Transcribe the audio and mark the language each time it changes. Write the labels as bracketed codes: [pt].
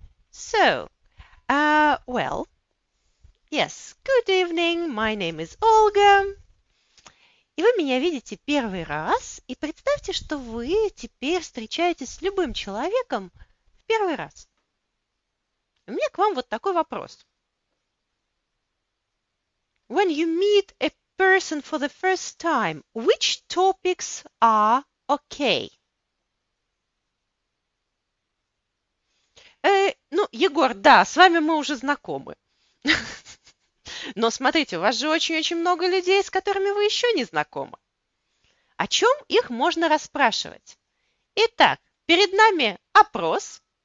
[en] So, well, yes, good evening, my name is Olga. [ru] И вы меня видите первый раз, и представьте, что вы теперь встречаетесь с любым человеком в первый раз. У меня к вам вот такой вопрос. [en] When you meet a person for the first time, which topics are okay? [ru] Ну, Егор, да, с вами мы уже знакомы. Но смотрите, у вас же очень-очень много людей, с которыми вы еще не знакомы. О чем их можно расспрашивать? Итак, перед нами опрос.